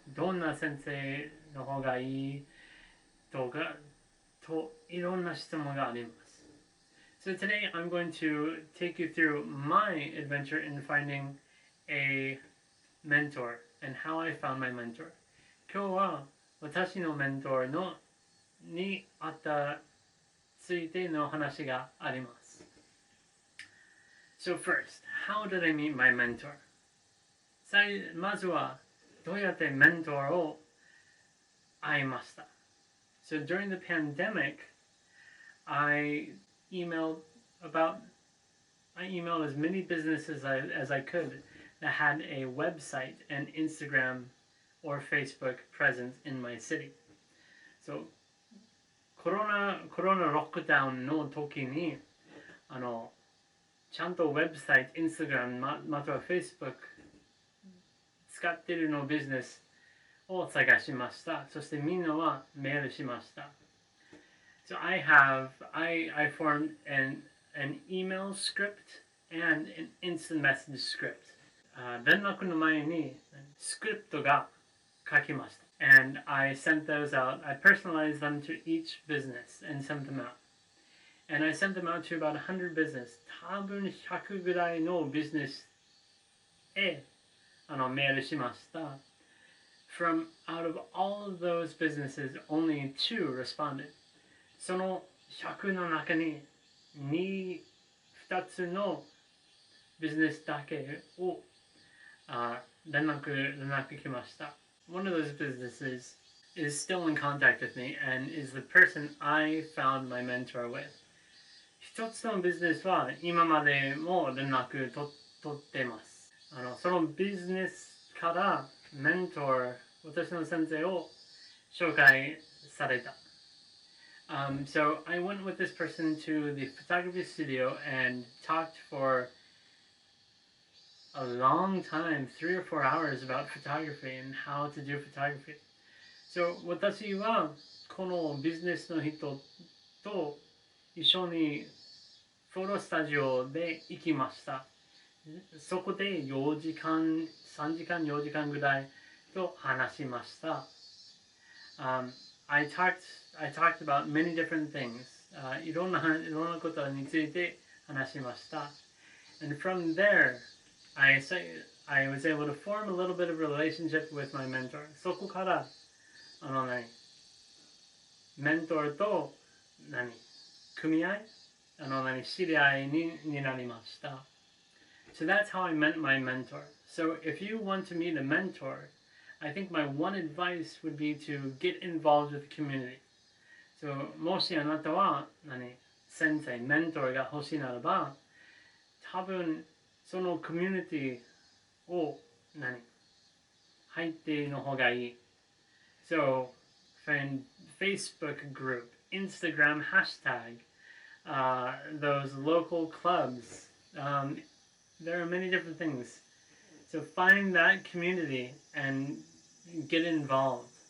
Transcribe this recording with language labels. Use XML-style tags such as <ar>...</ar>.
<ja>どんな先生の方がいい？とか、といろんな質問があります。</ja> <en>So today I'm going to take you through my adventure in finding a mentor and how I found my mentor.</en> <ja>今日は私のメントーのにあったついての話があります。</ja> <en>So first, how did I meet my mentor?</en> <ja>まずはどうやってメントーを会いました？</ja> <en>So during the pandemic, I emailed as many businesses as I could that had a website and Instagram or Facebook presence in my city. So,</en> <ja>コロナロックダウンの時に、ちゃんとウェブサイト、Instagram、または Facebook 使ってるのビジネスを探しました。そしてみんなはメールしました。</ja> <en>So I formed an email script and an instant message script.</en> <ja>連絡の前にスクリプトが書きました。</ja> <en>And I sent those out. I personalized them to each business and sent them out. And I sent them out to about 100 business.</en> <ja>多分100ぐらいのビジネスへメールしました。</ja> <en>From out of all of those businesses, only two responded.</en> <ja>その100の中に2つのビジネスだけを連絡来ました。</ja> <en>One of those businesses is still in contact with me and is the person I found my mentor with.</en> <ja>一つのビジネスは今までも連絡取ってます。そのビジネスからメントー私の先生を紹介された。</ja> <en>So I went with this person to the photography studio and talked for a long time, 3 or 4 hours about photography and how to do photography.</en> <ja>So 私はこのビジネスの人と一緒にフォトスタジオで行きました。そこで4時間ぐらいと話しました。</ja> <en>I talked about many different things.</en> <ja>いろんなことについて話しました。</ja> <en>And from there, I was able to form a little bit of a relationship with my mentor.</en> <ja>そこから、メントーと、組合？知り合いになりました。</ja> <en>So that's how I met my mentor. So if you want to meet a mentor,I think my one advice would be to get involved with the community.</en> <ja>So, もしあなたは、先生、メンターが欲しいならば、多分そのコミュニティを何入っての方がいい。</ja> <en>So, friend, Facebook group, Instagram hashtag, those local clubs, there are many different things. So find that community and get involved.</en>